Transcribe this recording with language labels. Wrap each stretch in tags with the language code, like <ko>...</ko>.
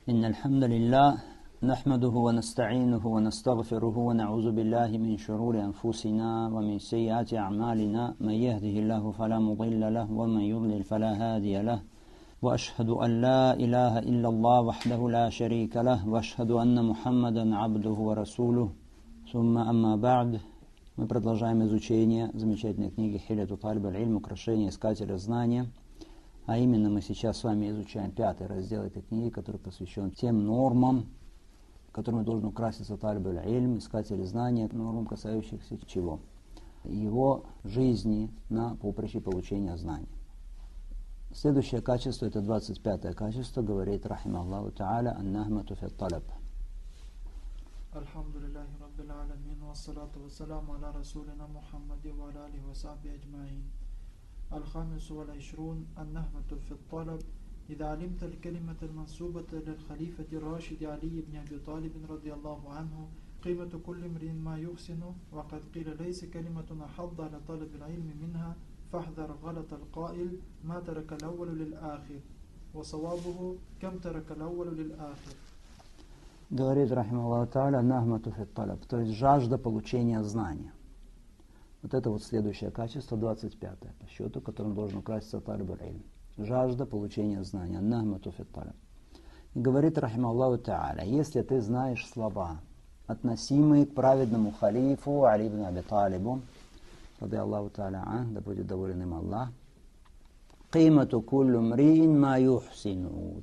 <ar>إن الحمد لله نحمده ونستعينه ونستغفره ونعوذ بالله من شرور أنفسنا ومن سيئات أعمالنا، من يهده الله فلا مضل له ومن يضلل فلا هادي له، وأشهد أن لا إله إلا الله وحده لا شريك له، وأشهد أن محمدا عبده ورسوله. ثم أما بعد،</ar> <ru>мы продолжаем изучение замечательной книги Хилету Талиб аль-Ильм «Украшение искателя знания». А именно, мы сейчас с вами изучаем пятый раздел этой книги, который посвящен тем нормам, которыми должен украситься талиб аль-Ильм, искатель знания, нормам, касающихся чего? Его жизни на поприще получения знаний. Следующее качество, это 25-е качество, говорит рахима Аллаху та'аля, ан-нахмату фи ат-талаб.</ru> <ar>الحمد لله رب العالمين والصلاة والسلام على رسولنا محمد وعلى آله وصحبه أجمعين. الخامس والعشرون النهمة في الطلب. إذا علمت الكلمة المنسوبة للخليفة الراشد علي بن أبي طالب رضي الله عنه قيمة كل امرئ ما يحسنه، وقد قيل ليس كلمة أحض على طلب العلم منها، فاحذر غلط القائل ما ترك الأول للآخر، وصوابه كم ترك الأول للآخر.</ar> <ru>Говорит рахималлаху та'аля, нахмату фи ат-талаб, то есть жажда получения знания. Вот это вот следующее качество, 25-е по счету, которым должен украситься талиб аль-Ильм. Жажда получения знания, нахмату фи ат-талаб. И говорит рахималлаху та'аля, если ты знаешь слова, относимые к праведному халифу Али ибн Аби Талибу, рады Аллаху та'аля ан, да будет доволен им Аллах,</ru> <ar>قيمه كل امرئ ما يحسن.</ar>